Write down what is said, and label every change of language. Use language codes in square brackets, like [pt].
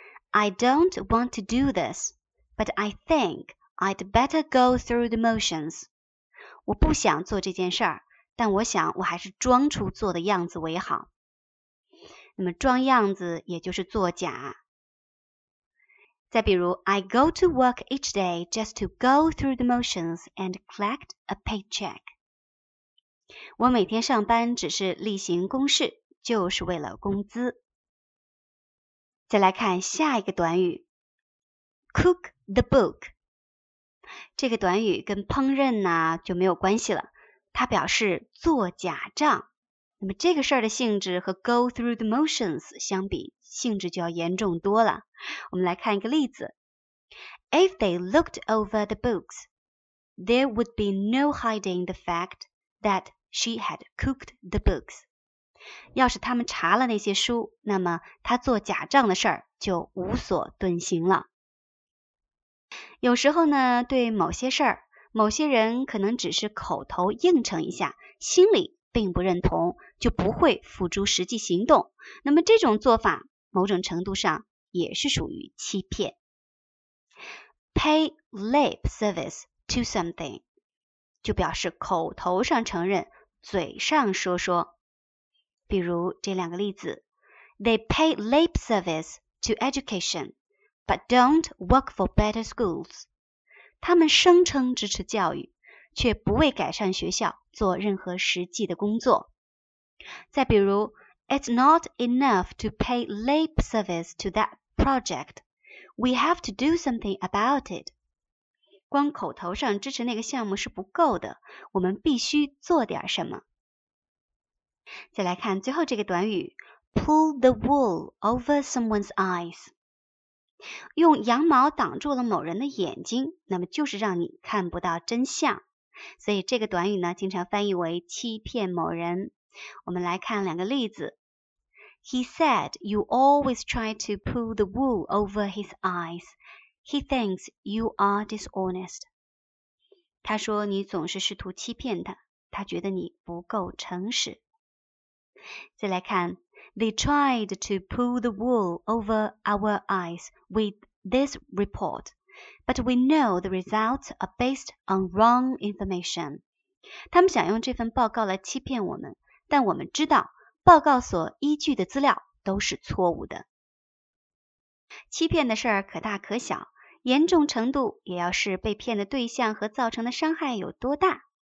[en] I don't want to do this, but I think I'd better go through the motions. [zh] 我不想做这件事儿，但我想我还是装出做的样子为好。那么装样子也就是作假。再比如 [en] I go to work each day just to go through the motions and collect a paycheck. [zh] 我每天上班只是例行公事，就是为了工资。再来看下一个短语 , [en] cook the book。 [zh] 这个短语跟烹饪呢就没有关系了，它表示做假账。那么这个事儿的性质和 [en] go through the motions [zh] 相比，性质就要严重多了。我们来看一个例子。 [en] If they looked over the books, there would be no hiding the fact that She had cooked the books. [zh] 要是他们查了那些书，那么他做假账的事儿就无所遁形了。有时候呢，对某些事儿，某些人可能只是口头应承一下，心里并不认同，就不会付诸实际行动。那么这种做法，某种程度上也是属于欺骗。 [en] Pay lip service to something， [zh] 就表示口头上承认。嘴上说说，比如这两个例子 [en] They pay lip service to education, but don't work for better schools. [zh] 他们声称支持教育，却不为改善学校做任何实际的工作。再比如 [en] It's not enough to pay lip service to that project. We have to do something about it. [zh] 光口头上支持那个项目是不够的，我们必须做点什么。再来看最后这个短语 , [en] pull the wool over someone's eyes。 [zh] 用羊毛挡住了某人的眼睛，那么就是让你看不到真相。所以这个短语呢经常翻译为欺骗某人。我们来看两个例子。 [en] He said, you always try to pull the wool over his eyes. He thinks you are dishonest. [zh] 他说你总是试图欺骗他，他觉得你不够诚实。再来看 [en] They tried to pull the wool over our eyes with this report, but we know the results are based on wrong information. [zh] 他们想用这份报告来欺骗我们，但我们知道报告所依据的资料都是错误的。欺骗的事儿可大可小，严重程度也要是被骗的对象和造成的伤害有多大。